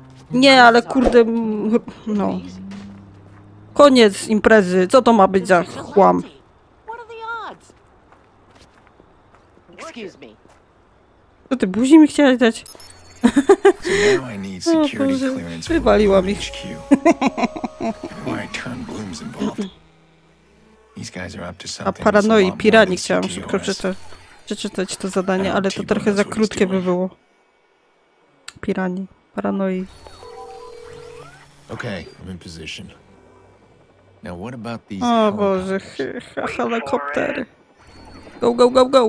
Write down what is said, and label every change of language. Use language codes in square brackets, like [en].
[pl] Nie, ale kurde, no. Koniec imprezy, co to ma być za chłam? Co ty, buzi mi chciałaś dać? [en] So now I need security clearance for Bloom HQ. Why turn Bloom's involved? These guys are up to something. [pl] A paranoi, pirani, chciałam szybko przeczytać to zadanie, ale to trochę za krótkie by było. Pirani, paranoi. [en] Okay, I'm in position. Now what about these? [pl] O Boże, helikoptery. [en] Go, go, go, go.